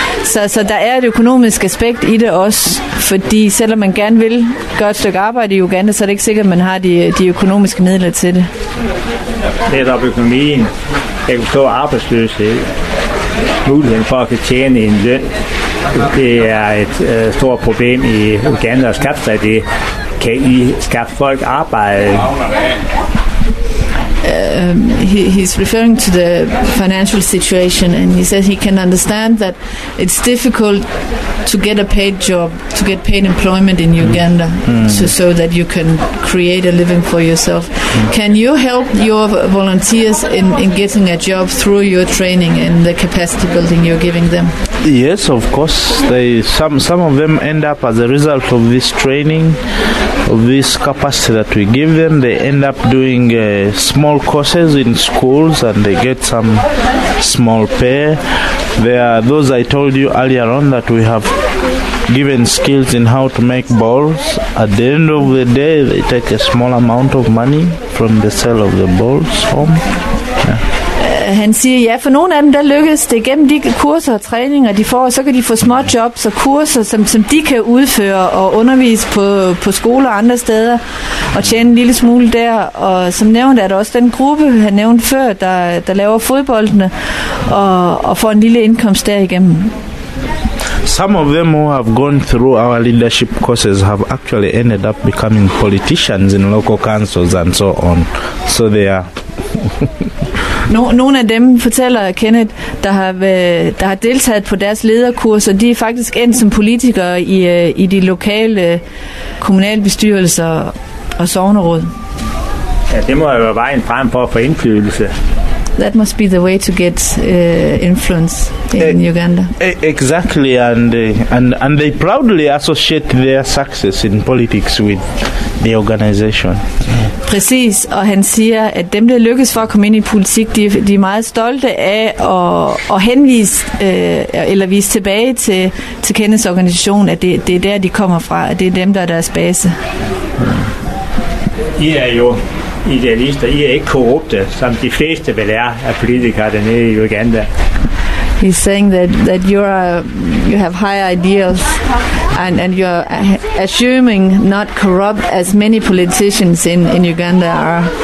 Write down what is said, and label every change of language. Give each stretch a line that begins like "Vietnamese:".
Danish: Så der er et økonomisk aspekt i det også, fordi selvom man gerne vil gøre et stykke arbejde i Uganda, så er det ikke sikkert, at man har de økonomiske midler til det. Det er der økonomien. Jeg kan stå arbejdsløshed. Muligheden for at kunne tjene en løn. Det er et stort problem i Uganda at skaffe sig det. Kan I skaffe folk arbejde?
English: He's referring to the financial situation, and he says he can understand that it's difficult to get a paid job, to get paid employment in Uganda, so that you can create a living for yourself. Can you help your volunteers in getting a job through your training and the capacity building you're giving them? Yes, of course. Some of them end up as a result of this training, of this capacity that we give them. They end up doing small courses in schools and they get some small pay. There are those I told you earlier on that we have given skills in how to make balls. At the end of the day, they take a small amount of money from the sale of the balls home.
Danish: Han siger, ja, for nogle af dem, der lykkes det gennem de kurser og træninger, de får, så kan de få små jobs og kurser, som de kan udføre og undervise på skoler og andre steder og tjene en lille smule der. Og som nævnt er der også den gruppe, han nævnte før, der laver fodboldene og får en lille indkomst derigennem.
English: Some of them who have gone through our leadership courses have actually ended up becoming politicians in local councils and so on. So they are...
Danish: Nogle af dem fortæller Kenneth, der har deltaget på deres lederkurser, de er faktisk endt som politikere i de lokale kommunalbestyrelser og sogneråd. Ja, det må jo være vejen frem for at få indflydelse.
English: That must be the way to get influence in Uganda. Exactly, and they proudly associate their success in politics with the organization.
Danish: Præcis, og han siger, at dem, der lykkes for at komme ind i politik, de er meget stolte af at henvise eller vise tilbage til Kenneths organisation, at det er der, de kommer fra, at det er dem, der er deres base. I er jo idealister. I er ikke korrupte, som de fleste vel er af politikere dernede i Uganda.
English: He's saying that you have high ideals and you're assuming not corrupt as many politicians in Uganda are.